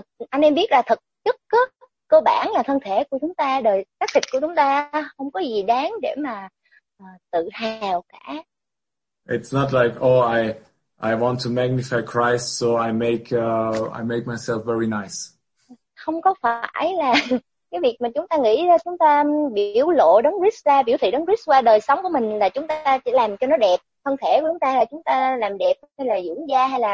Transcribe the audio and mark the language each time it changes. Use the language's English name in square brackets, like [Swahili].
[Vietnamese] Anh em biết là thực chất cơ bản là thân thể của chúng ta, đời xác thịt của chúng ta không có gì đáng để mà tự hào cả. [English] It's not like I want to magnify Christ, so I make myself very nice. [Vietnamese] Không có phải là cái việc mà chúng ta nghĩ ra, chúng ta biểu lộ Đấng Christ ra, biểu thị Đấng Christ qua đời sống của mình là chúng ta chỉ làm cho nó đẹp. Thân thể của chúng ta là chúng ta làm đẹp hay là dưỡng da hay là